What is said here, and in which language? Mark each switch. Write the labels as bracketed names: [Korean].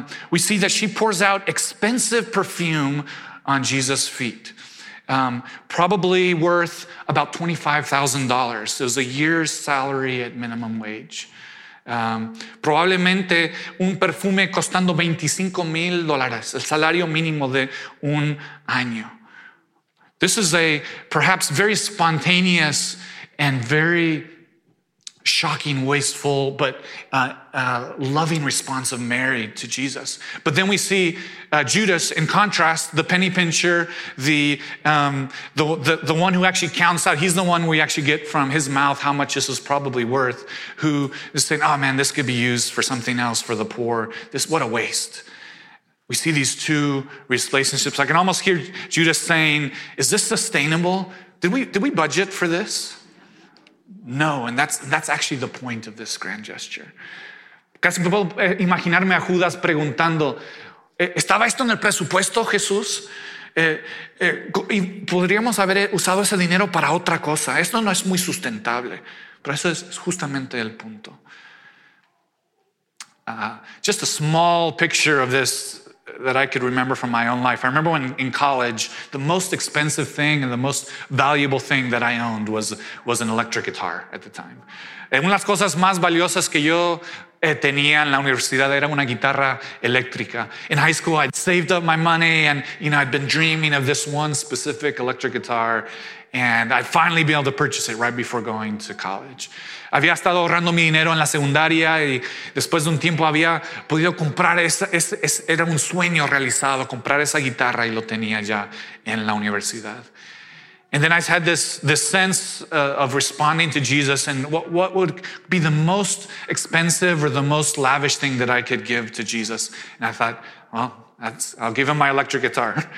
[English] We see that she pours out expensive perfume on Jesus' feet, probably worth about $25,000. It was a year's salary at minimum wage. [Spanish] Probablemente un perfume costando $25,000, el salario mínimo de un año. [English] This is a perhaps very spontaneous and very shocking, wasteful, but loving response of Mary to Jesus. But then we see Judas, in contrast, the penny pincher, the one who actually counts out, he's the one we actually get from his mouth how much this is probably worth, who is saying, oh man, this could be used for something else, for the poor. This, what a waste. We see these two relationships. I can almost hear Judas saying, is this sustainable? Did we budget for this? No, and that's actually the point of this grand gesture. [Spanish] Casi me puedo imaginarme a Judas preguntando, ¿estaba esto en el presupuesto, Jesús? Y podríamos haber usado ese dinero para otra cosa. Esto no es muy sustentable, pero eso es justamente el punto. [English] Just a small picture of this that I could remember from my own life. I remember when in college, the most expensive thing and the most valuable thing that I owned was an electric guitar at the time. [Spanish] Una de las cosas más valiosas que yo tenía en la universidad era una guitarra eléctrica. [English] In high school, I'd saved up my money and, you know, I'd been dreaming of this one specific electric guitar, and I'd finally be able to purchase it right before going to college. [Spanish] Había estado ahorrando mi dinero en la secundaria y después de un tiempo había podido comprar era un sueño realizado, comprar esa guitarra, y lo tenía ya en la universidad. [English] And then I had this sense of responding to Jesus, and what would be the most expensive or the most lavish thing that I could give to Jesus. And I thought, well, I'll give him my electric guitar.